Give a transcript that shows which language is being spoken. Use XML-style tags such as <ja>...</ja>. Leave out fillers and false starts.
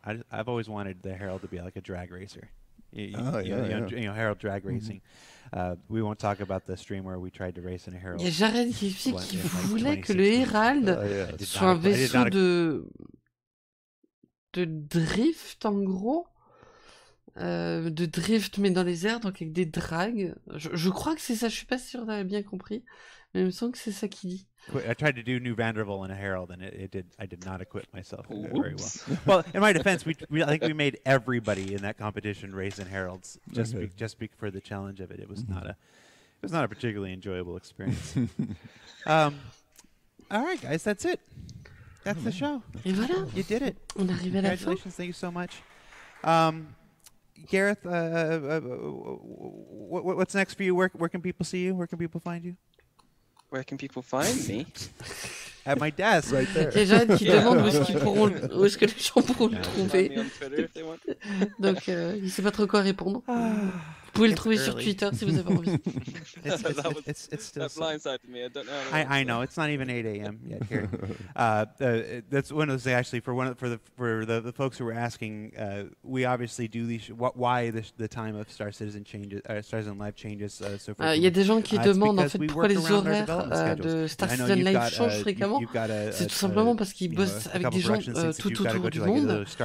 <en>I've always wanted the Herald to be like a drag racer. Herald drag racing. We won't talk about the stream where we tried to race in a Herald.</en> <fr>Il y a Jared qui dit qu'il voulait que le Herald soit un vaisseau de drift, en gros, de drift mais dans les airs, donc avec des drags. Je crois que c'est ça, je suis pas sûr d'avoir bien compris, mais il me semble que c'est ça qu'il dit.</fr> <en>I tried to do New Vanderbilt in a Herald, and I did not equip myself very well. Well, in my defense, I think we made everybody in that competition race in Heralds just for the challenge of it. It was not a particularly enjoyable experience. All right, guys, that's it. That's the show.</en> <fr>Et voilà.</fr> <en>You did it.</en> <fr>On arrive à la fin.</fr> <en>Congratulations. Thank you so much. Gareth, what's next for you? Where can people see you? Where can people find you? Where can people find me? At my desk. Right there.</en> <fr>Les gens qui demandent où est-ce que les gens pourront le trouver. Donc, il ne sait pas trop quoi répondre. Vous pouvez le trouver sur Twitter si vous avez envie.</fr> <en>It's still that blindsided me. I don't know. I know. It's not even 8 a.m. yet here. That's one of those things, actually, for the folks who were asking, we obviously do these. Why the time of Star Citizen changes, Star Citizen Live changes so frequently.</en> <fr>Il y a des gens qui demandent, en fait, pourquoi les horaires de Star Citizen Live changent fréquemment. C'est tout simplement parce qu'ils bossent avec des gens tout autour du monde.</fr>